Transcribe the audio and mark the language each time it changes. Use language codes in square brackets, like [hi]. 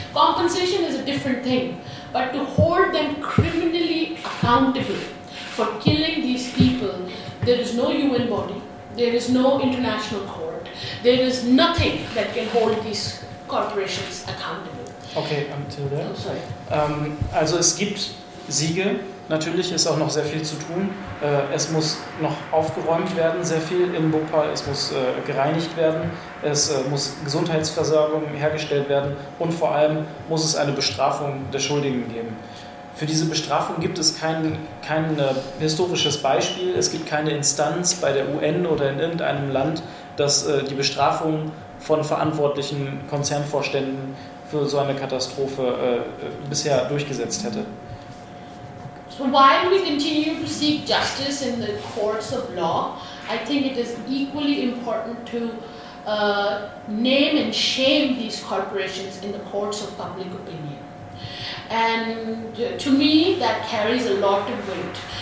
[en] Compensation is a different thing, but to hold them criminally accountable for killing these people, there is no UN body, there is no international court, there is nothing that can hold these corporations accountable. Okay, until there. Oh, sorry. [de] Also es gibt Siege. Natürlich ist auch noch sehr viel zu tun. Es muss noch aufgeräumt werden, sehr viel in Bhopal. Es muss gereinigt werden. Es muss Gesundheitsversorgung hergestellt werden. Und vor allem muss es eine Bestrafung der Schuldigen geben. Für diese Bestrafung gibt es kein historisches Beispiel. Es gibt keine Instanz bei der UN oder in irgendeinem Land, dass die Bestrafung von verantwortlichen Konzernvorständen für so eine Katastrophe bisher durchgesetzt hätte. [en] So while we continue to seek justice in the courts of law, I think it is equally important to name and shame these corporations in the courts of public opinion. And to me, that carries a lot of weight.